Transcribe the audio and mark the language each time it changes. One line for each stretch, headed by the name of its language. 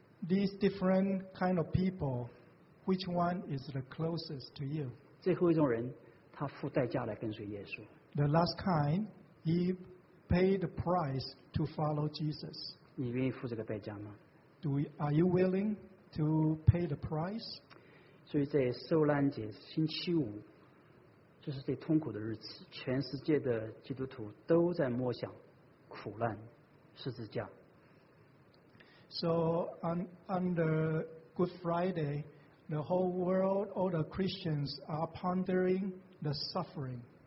English: These different kind of people, which one is the closest to you?
Chinese: 最后一种人，他付代价来跟随耶稣。
English: The last kind, he paid the price to follow Jesus.
Chinese: 你愿意付这个代价吗？
English: Are you willing to pay the price?
Chinese: 所以在受难节星期五，这是最痛苦的日子，全世界的基督徒都在默想苦难、十字架。
English: So on the Good Friday, the whole world, all the Christians are pondering the suffering.